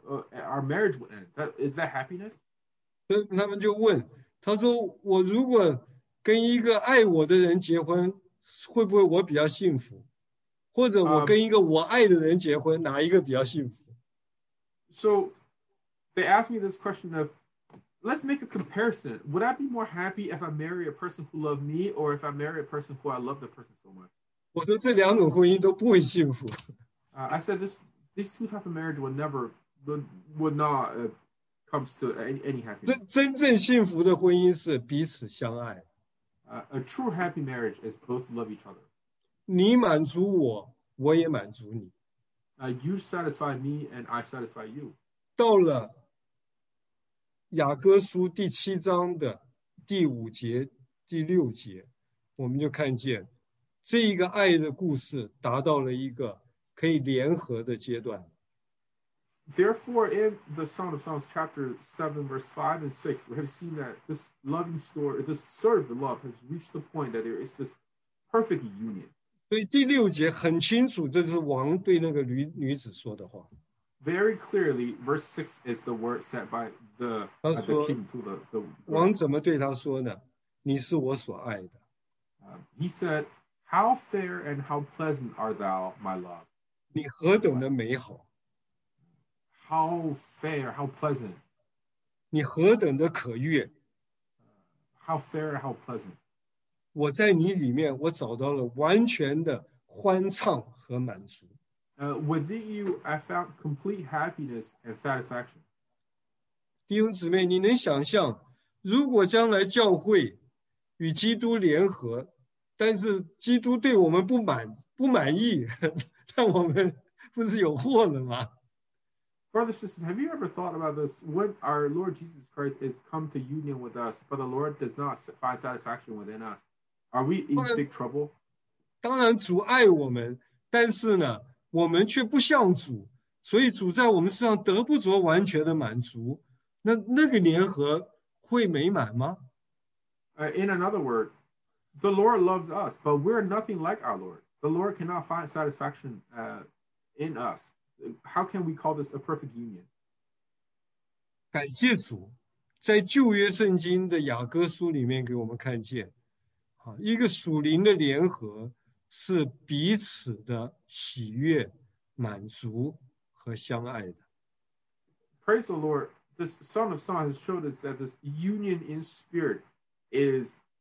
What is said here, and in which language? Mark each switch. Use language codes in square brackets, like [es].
[en] Our marriage will end. Is that happiness? [zh] 他们就问，他说我如果跟一个爱我的人结婚，会不会我比较幸福？或者我跟一个我爱的人结婚，哪一个比较幸福？ [en] So they asked me this question of, let's make a comparison. Would I be more happy if I marry a person who loved me or if I marry a person who I love the person so much? [zh] 我说这两种婚姻都不会幸福。 [en] I said this two type of marriage would not comes to any happiness. [zh] 真正幸福的婚姻是彼此相爱。 [en] A true happy marriage is both love each other. [zh] 你满足我，我也满足你。 [en] You satisfy me and I satisfy you. [zh] 到了雅各书第七章的第五节、第六节，我们就看见这一个爱的故事达到了一个可以联合的阶段。 [en] Therefore, in the Song of Songs, chapter 7, verse 5 and 6, we have seen that this loving story, this story of the love has reached the point that there is this perfect union. [zh] 所以第六节很清楚，这是王对那个女子说的话。 [en] Very clearly, verse 6 is the word said by the king to the woman. [zh] 王怎么对他说呢？你是我所爱的。 [en] He said,How fair and how pleasant art thou, my love. [zh] 你何等的美好。 [en] How fair, how pleasant. [zh] 你何等的可悦。 [en] How fair, how pleasant. [zh] 我在你里面我找到了完全的欢畅和满足。 [en] Within you, I found complete happiness and satisfaction. [zh] 弟兄姊妹，你能想象，如果将来教会与基督联合，但是基督对我们不满意，但我们不是有祸了吗？ [en] Brothers, sisters, have you ever thought about this? When our Lord Jesus Christ is come to union with us, but the Lord does not find satisfaction within us, are we in big trouble? [zh] 当然主爱我们，但是呢，我们却不像主，所以主在我们身上得不着完全的满足，那个联合会美满吗？ [en] In another word,The Lord loves us, but we're nothing like our Lord. The Lord cannot find satisfaction in us. How can we call this a perfect union? [zh] 感谢主，在旧约圣经的雅各书里面给我们看见，一个属灵的联合是彼此的喜悦、满足和相爱的。 [en] Praise the Lord. This Song of Songs has showed us that this union in spirit is...